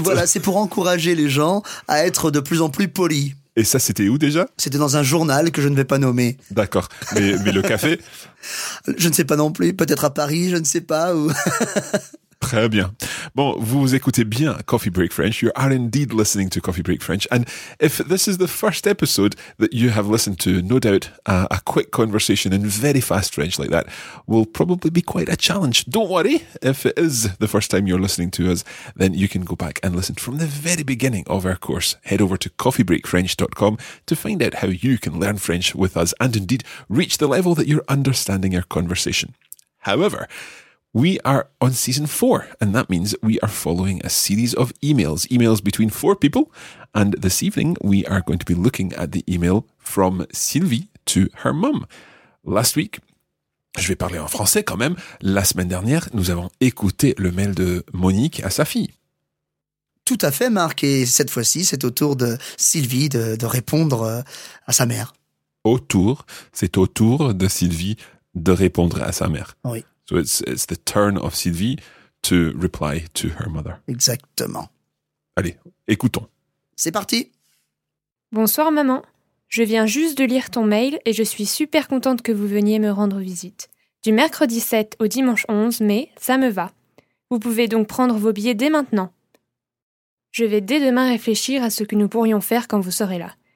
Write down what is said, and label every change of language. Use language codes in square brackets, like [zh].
[fr] Voilà, c'est pour encourager les gens à être de plus en plus polis. Et ça, c'était où déjà? C'était dans un journal que je ne vais pas nommer. D'accord, mais le café? Je ne sais pas non plus, peut-être à Paris, je ne sais pas où... Très bien. Bon, vous écoutez bien Coffee Break French. [en] You are indeed listening to Coffee Break French. And if this is the first episode that you have listened to, no doubt a quick conversation in very fast French like that will probably be quite a challenge. Don't worry, if it is the first time you're listening to us, then you can go back and listen from the very beginning of our course. Head over to coffeebreakfrench.com to find out how you can learn French with us and indeed reach the level that you're understanding our conversation. However, we are on season 4, and that means we are following a series of emails, emails between four people, and this evening we are going to be looking at the email from Sylvie to her mum. Last week, [fr] je vais parler en français quand même, la semaine dernière, nous avons écouté le mail de Monique à sa fille. Tout à fait, Marc, et cette fois-ci, c'est au tour de Sylvie de répondre à sa mère. C'est au tour de Sylvie de répondre à sa mère. Oui. [en] So it's the turn of Sylvie to reply to her mother. [fr] Exactement. Allez, écoutons. C'est parti. Bonsoir maman, je viens juste de lire ton mail et je suis super contente que vous veniez me rendre visite. Du mercredi 7 au dimanche 11 mai, ça me va. Vous pouvez donc prendre vos billets dès maintenant. Je vais dès demain réfléchir à ce que nous pourrions faire quand vous serez là.